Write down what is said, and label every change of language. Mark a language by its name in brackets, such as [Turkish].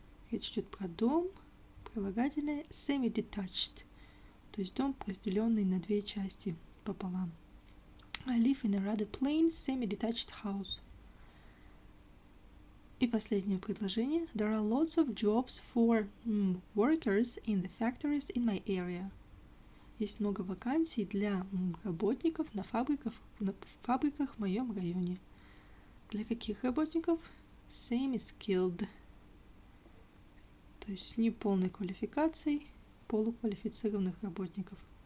[Russian] Речь идет про дом, прилагательное semi-detached, то есть дом, разделенный на две части пополам. [English] I live in a rather plain semi-detached house. [Russian] И последнее предложение. [English] There are lots of jobs for workers in the factories in my area. [Russian] Есть много вакансий для работников на фабриках в моем районе. Для каких работников? Semi-skilled. То есть с неполной квалификацией полуквалифицированных работников.